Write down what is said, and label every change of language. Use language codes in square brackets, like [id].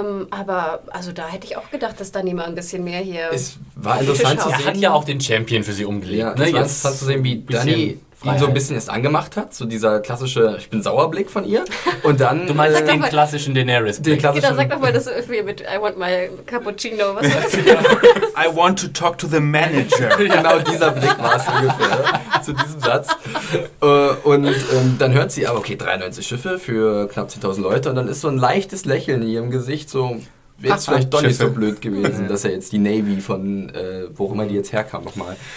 [de] Aber also da hätte ich auch gedacht, dass da niemand ein bisschen mehr hier... Es war interessant zu sehen. Er hat ja auch den Champion für sie umgelegt. Ja, es war interessant zu sehen, wie Dany ihn so ein bisschen erst angemacht hat. So dieser klassische, ich bin sauer Blick von ihr. Und dann du meinst den klassischen Daenerys Blick. Genau, sag doch mal das irgendwie mit [en] I want my cappuccino. [de] Was weiß ich. [en] I want to talk to the manager. [de] Genau dieser Blick war es ungefähr zu diesem Satz. Und dann hört sie, aber okay, 93 Schiffe für knapp 10.000 Leute. Und dann ist so ein leichtes Lächeln in ihrem Gesicht so... Wäre es vielleicht doch nicht so blöd gewesen, dass er jetzt die Navy von, wo auch immer die jetzt herkam nochmal.